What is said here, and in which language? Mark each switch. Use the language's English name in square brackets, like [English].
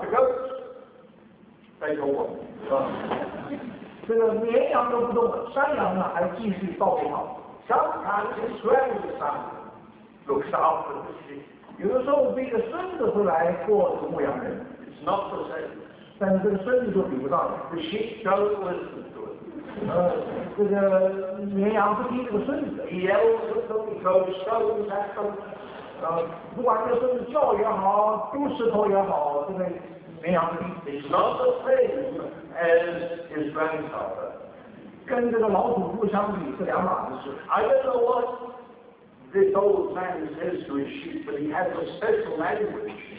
[Chinese] 诧异的发觉羊跟这个牧羊人之间的关系和谐。他有100多只羊，他只要讲一句话，所有羊都不动，但是羊在说话。这个绵羊都不动了，山羊呢还继续到处跑。 [English] Sometimes his grandson looks after the sheep. [Chinese] 有的时候被一个孙子后来做牧羊人。 [English] It's not the same. [Chinese] 但是这个孙子就比不上了。 [English] The sheep don't listen to it. [Chinese] 这个绵羊不听这个孙子的。 [English] He yells at them, throws stones at them. [Chinese] 不管这个孙子叫也好，丢石头也好，这个绵羊不听。 [English] It's not the same as his grandfather. [Chinese] 跟这个老祖父相比是两码子事。 [English] I don't know what this old man says to his sheep, but he has a special language.